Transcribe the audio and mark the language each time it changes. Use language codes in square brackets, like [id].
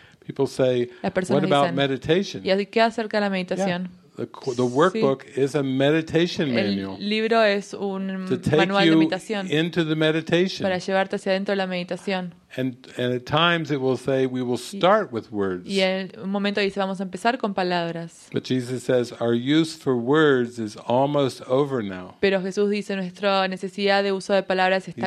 [en] People say, what about [es] dicen, [en] meditation? [es] ¿Y qué acerca de la meditación? [en] Yeah. The workbook sí. Is a meditation manual. [es] El libro es un [en] to [es] manual [en] take you [es] de meditación. [en] Into the meditation. [es] Para llevarte hacia dentro de la meditación. [en] And at times it will say we will start with words. [es] Y en un momento dice vamos a empezar con palabras. [en] But Jesus says our use for words is almost over now. [es] Pero Jesús dice nuestra necesidad de uso de palabras está